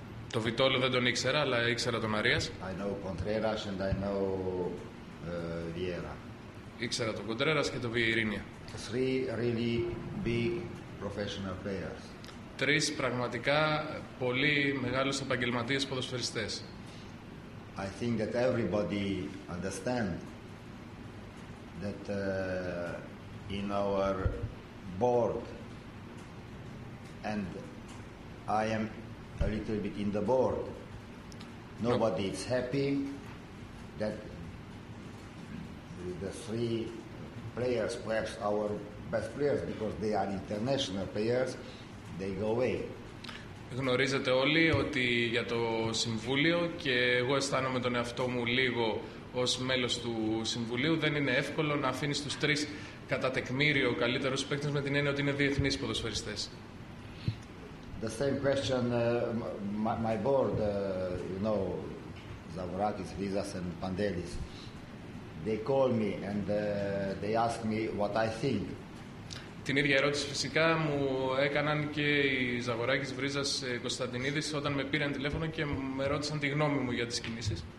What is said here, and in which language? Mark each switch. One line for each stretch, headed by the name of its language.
Greek: Το Vitolo δεν τον ήξερα, αλλά ήξερα τον Arias.
English: I know Contreras and I know Vieira.
Greek: Ήξερα τον Κοντρέρας και τον Βιερίνια.
English: 3 really big professional players.
Greek: 3 πραγματικά πολύ μεγάλους επαγγελματίες ποδοσφαιριστές.
English: I think that everybody understand that in our board, and I am a little bit in the board, nobody is happy that the 3 players, perhaps our best players, because they are international players, they go away.
Greek: Γνωρίζετε όλοι ότι για το Συμβούλιο, και εγώ αισθάνομαι τον εαυτό μου λίγο ως μέλος του Συμβουλίου, δεν είναι εύκολο να αφήνεις τους 3 κατά τεκμήριο ο καλύτερος παίκτης με την έννοια ότι είναι διεθνείς ποδοσφαιριστές.
English: The same question my board, you know, Zavourakis, Rizas and Pandelis, they call me and they ask me what I think.
Greek: Την ίδια ερώτηση φυσικά μου έκαναν και οι Ζαγοράκης, Βρίζας, Κωνσταντινίδης όταν με πήραν τηλέφωνο και με ρώτησαν τη γνώμη μου για τις κινήσεις.